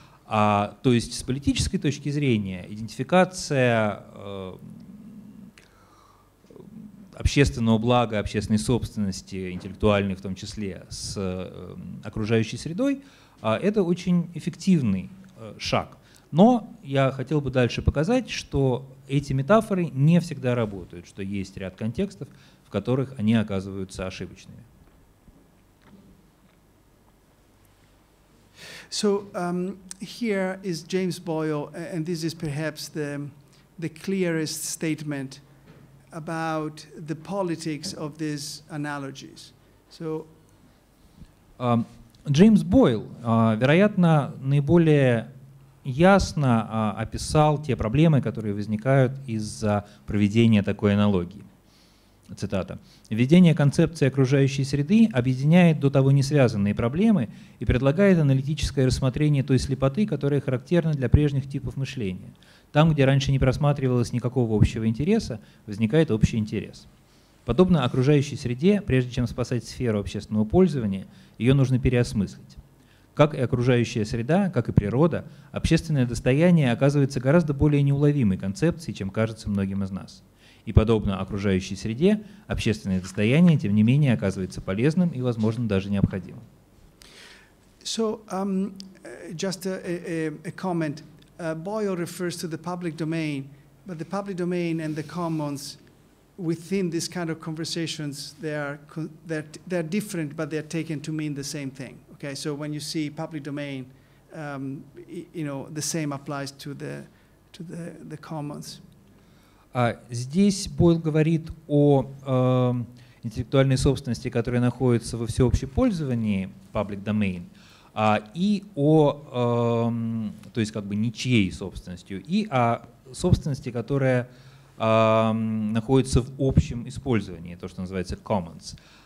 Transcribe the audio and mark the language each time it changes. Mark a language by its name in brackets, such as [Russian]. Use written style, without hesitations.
[Russian] То есть с политической точки зрения идентификация общественного блага, общественной собственности, интеллектуальной в том числе, с окружающей средой – это очень эффективный шаг. Но я хотел бы дальше показать, что эти метафоры не всегда работают, что есть ряд контекстов, в которых они оказываются ошибочными. [English] So here is James Boyle, and this is perhaps the clearest statement about the politics of these analogies. So, [Russian] James Boyle, вероятно, наиболее ясно описал те проблемы, которые возникают из-за проведения такой аналогии. Цитата. «Введение концепции окружающей среды объединяет до того не связанные проблемы и предлагает аналитическое рассмотрение той слепоты, которая характерна для прежних типов мышления. Там, где раньше не просматривалось никакого общего интереса, возникает общий интерес. Подобно окружающей среде, прежде чем спасать сферу общественного пользования, ее нужно переосмыслить. Как и окружающая среда, как и природа, общественное достояние оказывается гораздо более неуловимой концепцией, чем кажется многим из нас. И подобно окружающей среде, общественное достояние, тем не менее, оказывается полезным и, возможно, даже необходимым. [English] So, just a comment. Boyle refers to the public domain, but the public domain and the commons within this kind of conversations, they are different, but they are taken to mean the same thing. Okay, so when you see public domain, you know, the same applies to the commons. [Russian] Здесь Бойл говорит о интеллектуальной собственности, которая находится во всеобщем пользовании, public domain, и о, то есть как бы ничьей собственностью, и о собственности, которая находится в общем использовании, то, что называется commons.